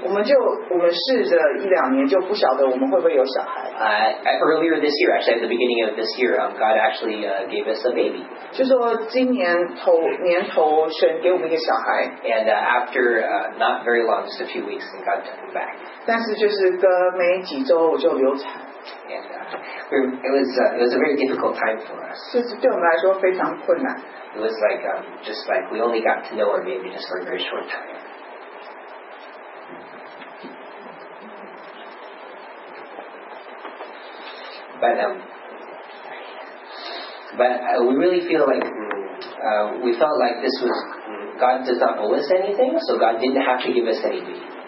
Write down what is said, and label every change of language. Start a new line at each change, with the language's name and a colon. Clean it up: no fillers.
Chinese: 我们试着一两年就不晓得我们会不会有小孩。
English: Earlier this year, actually at the beginning of this year, God actually gave us a baby.
Chinese: 就说今年头神给我们一个小孩。
English: And after not very long, just a few weeks, God took him back.
Chinese: 但是就是隔没几周我就流产。
English: It was a very difficult time for us.
Chinese: 就是对我们来说非常困难。
English: It was like just like we only got to know our baby just for a very short time. But we really feel like we felt like this was God does not owe us anything, so God didn't have to give us any baby.